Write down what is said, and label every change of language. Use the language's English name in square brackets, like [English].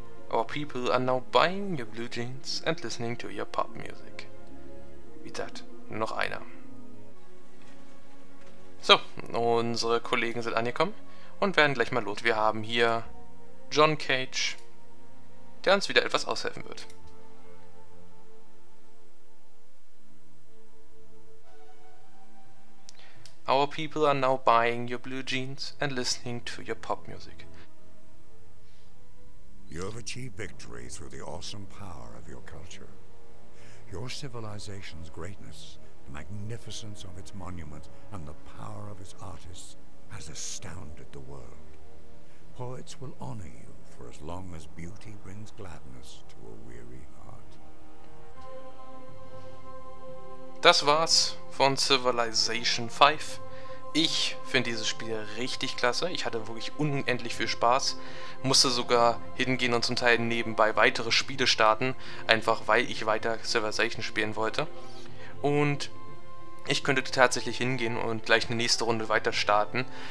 [English] Our people are now buying your blue jeans and listening to your pop music. [German] Wie gesagt, nur noch einer. So, unsere Kollegen sind angekommen und werden gleich mal los. Wir haben hier John Cage, der uns wieder etwas aushelfen wird. [English] Our people are now buying your blue jeans and listening to your pop music. You have achieved victory through the awesome power of your culture. Your civilization's greatness magnificence of its monuments and the power of its artists has astounded the world. Poets will honor you for as long as beauty brings gladness to a weary heart. [German] Das war's von Civilization 5. Ich finde dieses Spiel richtig klasse. Ich hatte wirklich unendlich viel Spaß. Musste sogar hingehen und zum Teil nebenbei weitere Spiele starten, einfach weil ich weiter Civilization spielen wollte. Und ich könnte tatsächlich hingehen und gleich eine nächste Runde weiter starten.